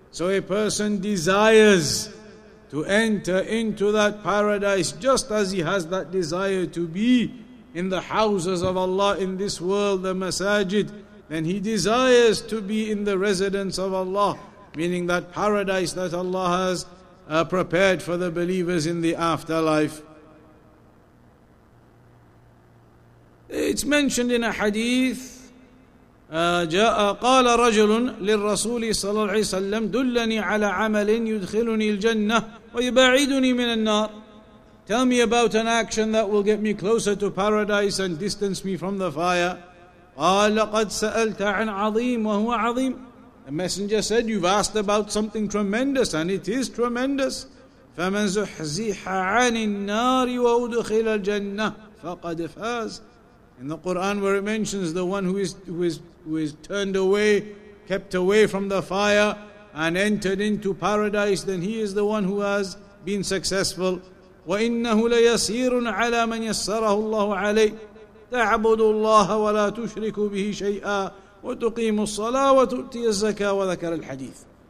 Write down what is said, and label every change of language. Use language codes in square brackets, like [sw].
[en] So a person desires to enter into that paradise just as he has that desire to be in the houses of Allah in this world, the masajid. Then he desires to be in the residence of Allah, meaning that paradise that Allah has prepared for the believers in the afterlife. It's mentioned in a hadith, [ar] قال رجل للرسول صلى الله عليه وسلم دلني على عمل يدخلني الجنة ويبعدني من النار. [en] Tell me about an action that will get me closer to paradise and distance me from the fire. [ar] قال لقد سألت عن عظيم وهو عظيم. [en] The messenger said, you've asked about something tremendous, and it is tremendous. [ar] فمن زحزح عن النار وأدخل الجنة فقد فاز. [en] In the Quran where it mentions the one who is turned away, kept away from the fire and entered into paradise, then he is the one who has been successful. [ar] وَإِنَّهُ لَيَسِيرٌ عَلَى مَنْ يَسَّرَهُ اللَّهُ عَلَيْهِ تَعْبُدُ اللَّهَ وَلَا تُشْرِكُ بِهِ شَيْئًا وَتُقِيمُ الصَّلَاةَ وَتُؤْتِي الزَّكَاةَ وَذَكَرَ الْحَدِيثِ.